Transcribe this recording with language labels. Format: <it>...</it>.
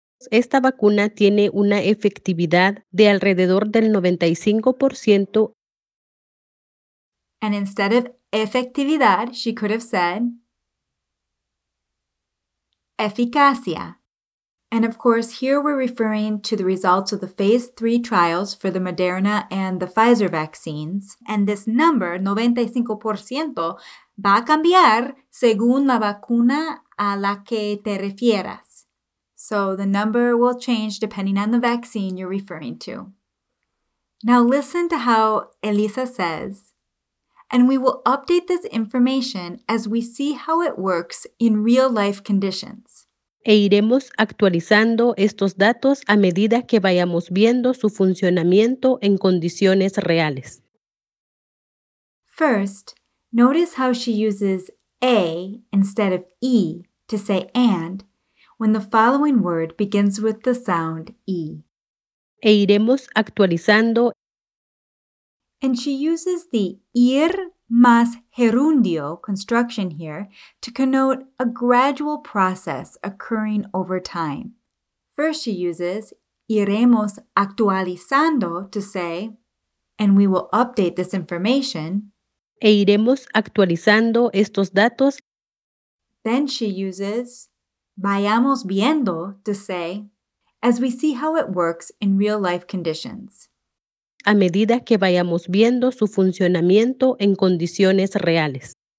<es>Esta vacuna tiene una efectividad de alrededor del 95%.</es> <en>And instead of efectividad, she could have said eficacia. And of course, here we're referring to the results of the phase 3 trials for the Moderna and the Pfizer vaccines. And this number,</en> <es>95%, va a cambiar según la vacuna a la que te refieras.</es> <en>So the number will change depending on the vaccine you're referring to. Now listen to how Elisa says, and we will update this information as we see how it works in real-life conditions.</en> <es>E iremos actualizando estos datos a medida que vayamos viendo su funcionamiento en condiciones reales.</es> <en>First, notice how she uses a instead of e to say and, when the following word begins with the sound E.</en> <es>E iremos actualizando.</es> <en>And she uses the ir más gerundio construction here to connote a gradual process occurring over time. First, she uses</en> <es>iremos actualizando</es> <en>to say, and we will update this information.</en> <es>E iremos actualizando estos datos.</es> <en>Then she uses</en> <es>vayamos viendo</es> <en>to say, as we see how it works in real life conditions.</en> <es>A medida que vayamos viendo su funcionamiento en condiciones reales.</es>